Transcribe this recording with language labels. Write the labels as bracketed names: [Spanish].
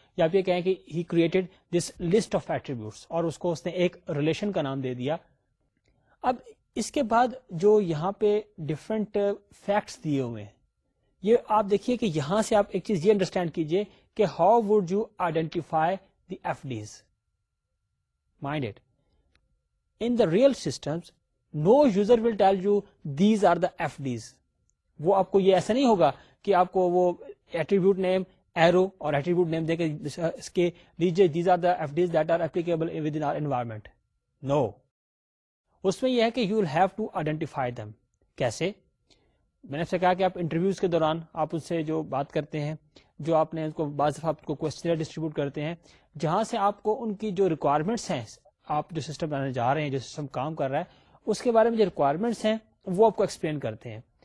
[Urdu] یا آپ یہ کہیں کہ [English] he created this list of attributes, [Urdu] اور اس کو اس نے ایک ریلیشن کا نام دے دیا. اب اس کے بعد جو یہاں پہ ڈفرینٹ فیکٹس دیے ہوئے ہیں، یہ آپ دیکھیے کہ یہاں سے آپ ایک چیز یہ انڈرسٹینڈ کیجئے [English] کہ how would you identify the F Ds. Mind it, in the real systems no user will tell you these are the F Ds. [Urdu] وہ آپ کو یہ ایسا نہیں ہوگا کہ آپ کو وہ ایٹریبیوٹ نیم ایرو اور ایٹریبیوٹ نیم دے کے اس کے لیجیے [English] These are the F Ds that are applicable with in our environment. No, [Urdu] اس میں یہ ہے کہ [English] You will have to identify them. [Urdu] کیسے؟ میں نے آپ سے کہا کہ آپ انٹرویوز کے دوران آپ ان سے جو بات کرتے ہیں, جو آپ نے ان کو بعض دفعہ آپ کو کوشچنر ڈسٹریبیوٹ کرتے ہیں, جہاں سے آپ کو ان کی جو ریکوائرمنٹس ہیں, آپ جو سسٹم بنانے جا رہے ہیں, جو سسٹم کام کر رہا ہے, اس کے بارے میں جو ریکوائرمنٹس ہیں وہ آپ کو ایکسپلین کرتے ہیں.